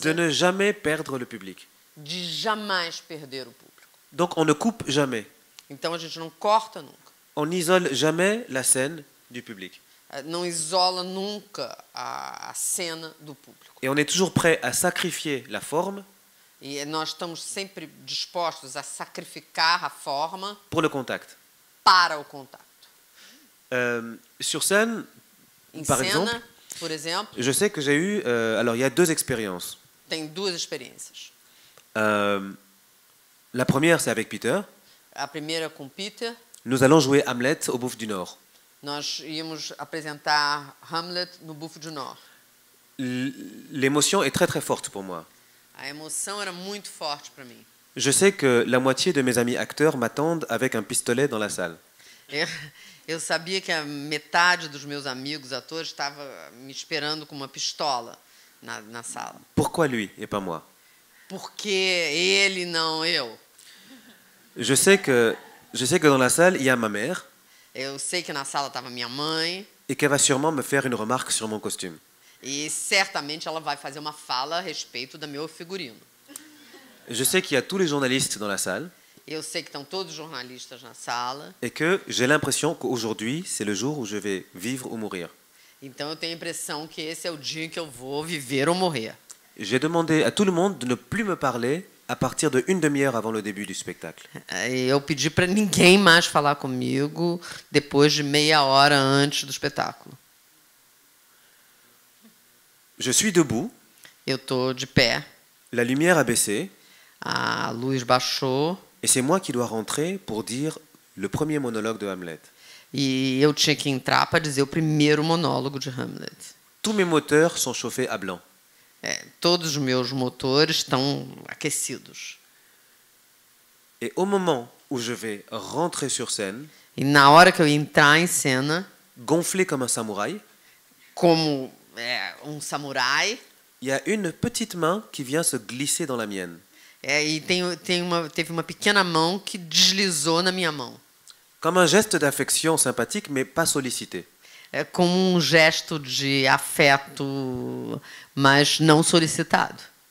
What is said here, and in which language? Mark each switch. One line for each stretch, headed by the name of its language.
French: de ne jamais perdre le public.
Portuguese: De jamais perder o público.
French: Donc on ne coupe jamais.
Portuguese: Então a gente não corta nunca.
French: On isole jamais la scène du public.
Portuguese: Não isola nunca a cena do público.
French: Et on est toujours prêt à sacrifier la forme.
Portuguese: E nós estamos sempre dispostos a sacrificar a forma.
French: Pour le contact.
Portuguese: Para o contato.
French: Sur scène,
Portuguese: em
French: par
Portuguese: cena,
French: exemple,
Portuguese: por exemplo,
French: je sais que j'ai eu. Alors, il y a deux expériences.
Portuguese: Tem duas experiências.
French: La première, c'est avec Peter.
Portuguese: A primeira com Peter.
French: Nous allons jouer Hamlet au Bouffe du Nord.
Portuguese: Nós íamos apresentar Hamlet no Bouffe du Nord.
French: L'émotion est très très forte pour moi.
Portuguese: A emoção era muito forte para mim.
French: Je sais que la moitié de mes amis acteurs m'attendent avec un pistolet dans la salle.
Portuguese: Eu sabia que a metade dos meus amigos atores estava me esperando com uma pistola na sala. Por que
French: lui et pas moi?
Portuguese: Porque ele não eu.
French: Je sais que dans la salle il y a ma mère.
Portuguese: Eu sei que na sala estava minha mãe.
French: Et qu'elle va sûrement me faire une remarque sur mon costume.
Portuguese: E certamente ela vai fazer uma fala a respeito do meu figurino.
French: Je sais qu'il y a tous les journalistes dans la salle.
Portuguese: Eu sei que estão todos jornalistas na sala.
French: Et que j'ai l'impression qu'aujourd'hui, c'est le jour où je vais vivre ou mourir.
Portuguese: Então eu tenho a impressão que esse é o dia que eu vou viver ou morrer.
French: J'ai demandé à tout le monde de ne plus me parler à partir de une demi-heure avant le début du spectacle.
Portuguese: Eu pedi para ninguém mais falar comigo depois de meia hora antes do espetáculo.
French: Je suis debout.
Portuguese: Eu tô de pé.
French: La lumière a baissé.
Portuguese: A luz baixou.
French: Et c'est moi qui dois rentrer pour dire le premier monologue de Hamlet.
Portuguese: E eu tinha que entrar para dizer o primeiro monólogo de Hamlet.
French: Tous mes moteurs sont chauffés à blanc.
Portuguese: Todos os meus motores estão aquecidos.
French: Et au moment où je vais rentrer sur scène,
Portuguese: e na hora que eu entrar em cena,
French: gonflé comme un samouraï,
Portuguese: como um samurai,
French: il y a une petite main qui vient se glisser dans la mienne.
Portuguese: Teve uma pequena mão que deslizou na minha mão.
French: Comme un geste d'affection sympathique, mais pas sollicité.
Portuguese: Como um gesto de afeto, mas não solicitado.